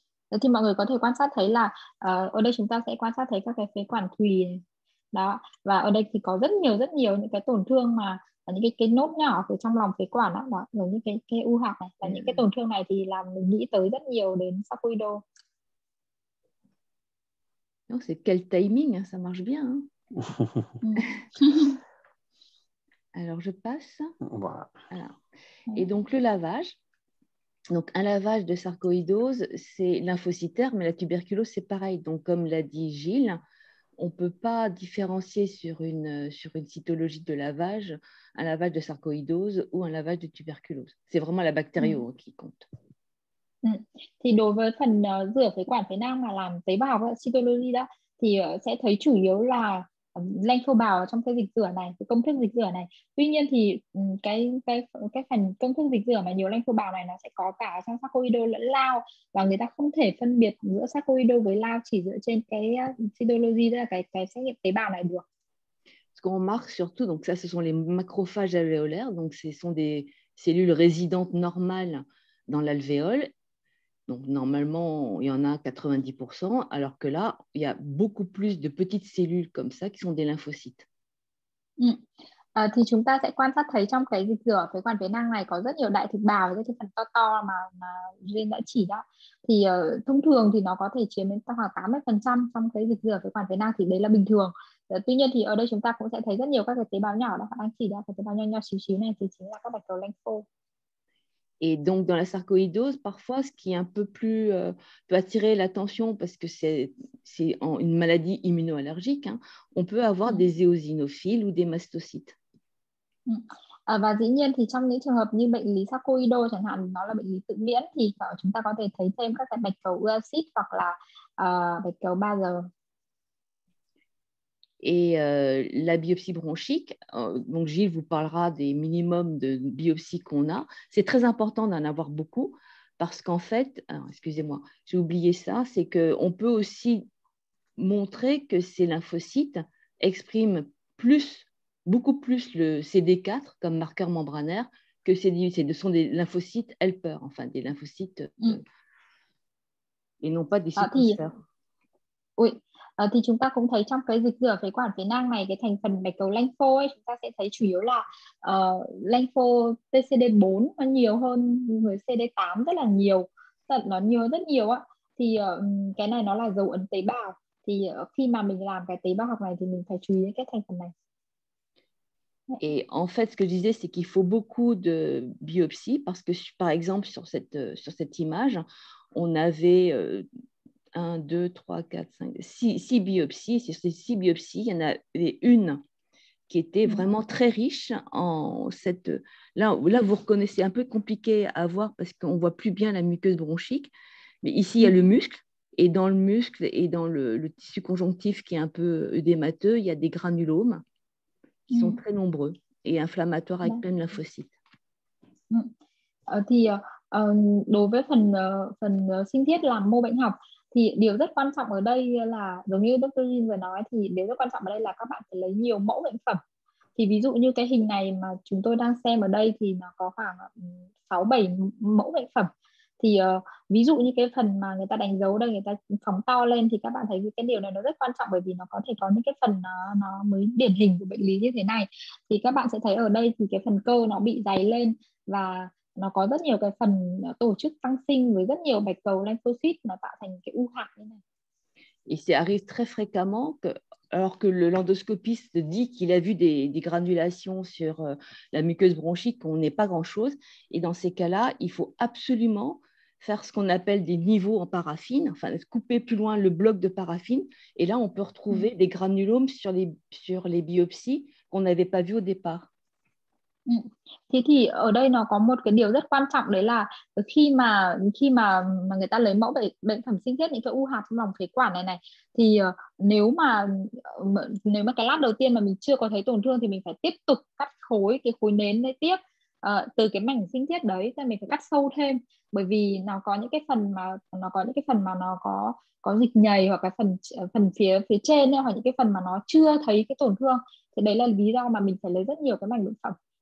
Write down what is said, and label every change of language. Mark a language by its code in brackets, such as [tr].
[vi] Thế thì mọi người có thể quan sát thấy là ở đây chúng ta sẽ quan sát thấy các cái phế quản thùy đó, và ở đây thì có rất nhiều những cái tổn thương mà những cái nốt nhỏ ở trong lòng phế quản đó, giống như cái u hạt này, và những cái tổn thương này thì làm mình nghĩ tới rất nhiều đến sarcoïdo. [fr] Non, c'est quel timing, ça marche bien. Alors je passe. Voilà. Alors. Et donc le lavage. Donc un lavage de sarcoïdose, c'est lymphocytaire, mais la tuberculose c'est pareil. Donc comme l'a dit Gilles, on ne peut pas différencier sur une cytologie de lavage un lavage de sarcoïdose ou un lavage de tuberculose. C'est vraiment la bactérie qui compte. [vi] Thì đối với phần rửa phế quản phế nang mà làm tế bào cytology đó, thì sẽ thấy chủ yếu là lentobào trong cái dịch rửa này, cái công thức dịch rửa này. Tuy nhiên thì cái phần công thức dịch rửa mà nhiều lentobào này nó sẽ có cả trong sarcoido lẫn lao, và người ta không thể phân biệt giữa sarcoido với lao chỉ dựa trên cái cytology, tức là cái xét nghiệm tế bào này được. [fr] Ce qu'on remarque surtout, donc ça ce sont les macrophages alvéolaires, donc ce sont des cellules résidentes normales dans l'alvéole. Donc normalement, il y en a 90%, alors que là, il y a beaucoup plus de petites cellules comme ça qui sont des lymphocytes. [vi] Thì chúng ta sẽ quan sát thấy trong cái dịch rửa phế quản phế nang này có rất nhiều đại thực bào, cái phần to mà Duyên đã chỉ đó. Thì thông thường thì nó có thể chiếm đến khoảng 80% trong cái dịch rửa phế quản phế nang, thì đấy là bình thường. Tuy nhiên thì ở đây chúng ta cũng sẽ thấy rất nhiều các cái tế bào nhỏ đó, đang chỉ ra cái tế bào nhỏ xíu xíu này thì chính là các bạch cầu lympho. [fr] Et donc, dans la sarcoïdose, parfois, ce qui est un peu plus peut attirer l'attention, parce que c'est une maladie immunoallergique, hein, on peut avoir des éosinophiles ou des mastocytes. [vi] Và dĩ nhiên thì trong những trường hợp như bệnh lý sarcoïdo chẳng hạn, nó là bệnh lý tự miễn, thì chúng ta có thể thấy thêm các cái bạch cầu eosinophiles hoặc là bạch cầu basal. [fr] Et la biopsie bronchique, donc Gilles vous parlera des minimums de biopsies qu'on a. C'est très important d'en avoir beaucoup parce qu'en fait, excusez-moi, j'ai oublié ça, c'est qu'on peut aussi montrer que ces lymphocytes expriment beaucoup plus le CD4 comme marqueur membranaire que ce sont des lymphocytes helper, enfin des lymphocytes et non pas des sécresseurs. Oui. [vi] thì chúng ta cũng thấy trong cái dịch rửa phế quản phế nang này, cái thành phần bạch cầu lanh phô ấy, chúng ta sẽ thấy chủ yếu là lanh phô TCD4 nó nhiều hơn người CD8 rất là nhiều, tận nó nhiều rất nhiều ạ. Thì cái này nó là dấu ấn tế bào, thì khi mà mình làm cái tế bào học này thì mình phải chú ý đến cái thành phần này. [fr] Et en fait, ce que je disais, c'est qu'il faut beaucoup de biopsies parce que, par exemple, sur cette image, on avait 1, 2, 3, 4, 5, 6 biopsies. Sur ces 6 biopsies, il y en avait une qui était vraiment très riche en cette... Là, vous reconnaissez, un peu compliqué à voir parce qu'on ne voit plus bien la muqueuse bronchique. Mais ici, il y a le muscle. Et dans le muscle et dans le tissu conjonctif qui est un peu œdémateux, il y a des granulomes qui sont très nombreux et inflammatoires avec plein de lymphocytes. [vi] Thì đối với phần phần sinh thiết làm mô bệnh học thì điều rất quan trọng ở đây là giống như Dr. Jin vừa nói, thì điều rất quan trọng ở đây là các bạn phải lấy nhiều mẫu bệnh phẩm. Thì ví dụ như cái hình này mà chúng tôi đang xem ở đây thì nó có khoảng 6-7 mẫu bệnh phẩm. Thì ví dụ như cái phần mà người ta đánh dấu đây, người ta phóng to lên, thì các bạn thấy cái điều này nó rất quan trọng, bởi vì nó có thể có những cái phần nó mới điển hình của bệnh lý như thế này. Thì các bạn sẽ thấy ở đây thì cái phần cơ nó bị dày lên và nó có rất nhiều cái phần tổ chức tăng sinh với rất nhiều bạch cầu lymphocyte, nó tạo thành cái u hạt như này. [fr] Et ça arrive très fréquemment que, alors que l'endoscopiste dit qu'il a vu des granulations sur la muqueuse bronchique, qu'on n'est pas grand-chose. Et dans ces cas-là, il faut absolument faire ce qu'on appelle des niveaux en paraffine, enfin couper plus loin le bloc de paraffine. Et là, on peut retrouver des granulomes sur les biopsies qu'on n'avait pas vues au départ. [vi] Thì ở đây nó có một cái điều rất quan trọng, đấy là khi mà người ta lấy mẫu bệnh phẩm sinh thiết, những cái u hạt trong lòng phế quản này này, thì nếu mà cái lát đầu tiên mà mình chưa có thấy tổn thương thì mình phải tiếp tục cắt khối cái khối nến đấy tiếp từ cái mảnh sinh thiết đấy, thì mình phải cắt sâu thêm, bởi vì nó có những cái phần mà nó có dịch nhầy, hoặc cái phần phía trên ấy, hoặc những cái phần mà nó chưa thấy cái tổn thương, thì đấy là lý do mà mình phải lấy rất nhiều cái mảnh bệnh phẩm.